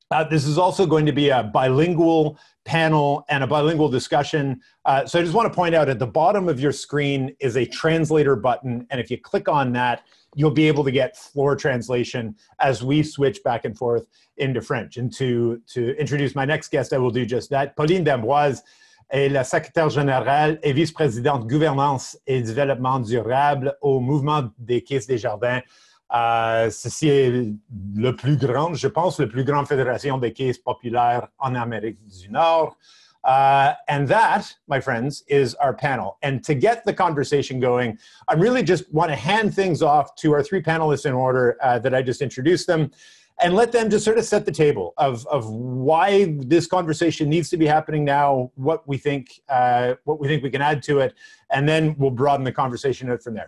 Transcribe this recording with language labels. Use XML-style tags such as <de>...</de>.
<en>This is also going to be a bilingual panel and a bilingual discussion. So I just want to point out at the bottom of your screen is a translator button. And if you click on that, you'll be able to get floor translation as we switch back and forth into French. And to introduce my next guest, I will do just that.</en> <fr>Pauline D'Amboise est la secrétaire générale et vice-présidente gouvernance et développement durable au mouvement des caisses des jardins. Ceci est le plus grand, je pense, le plus grand fédération des caisses populaires en Amérique du Nord.</fr> <en>And that, my friends, is our panel. And to get the conversation going, I really just want to hand things off to our three panelists in order that I just introduced them. And let them just sort of set the table of why this conversation needs to be happening now, what we think we can add to it, and then we'll broaden the conversation out from there.</en>